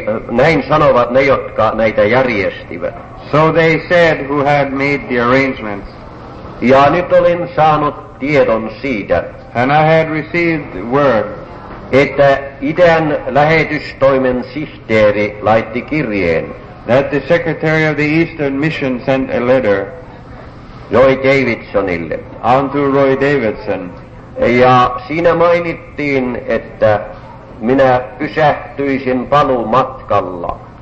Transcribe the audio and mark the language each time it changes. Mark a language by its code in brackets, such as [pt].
[fi] Näin sanovat ne, jotka näitä järjestivät. [en] So they said who had made the arrangements. [fi] Ja nyt olin saanut tiedon siitä, [en] and I had received word, [fi] että idän lähetystoimen sihteeri laitti kirjeen, [en] that the secretary of the Eastern Mission sent a letter, [fi] Roy Davidsonille, [en] unto Roy Davidson, [fi] ja siinä mainittiin, että minä pysähtyisin paluumatkalla,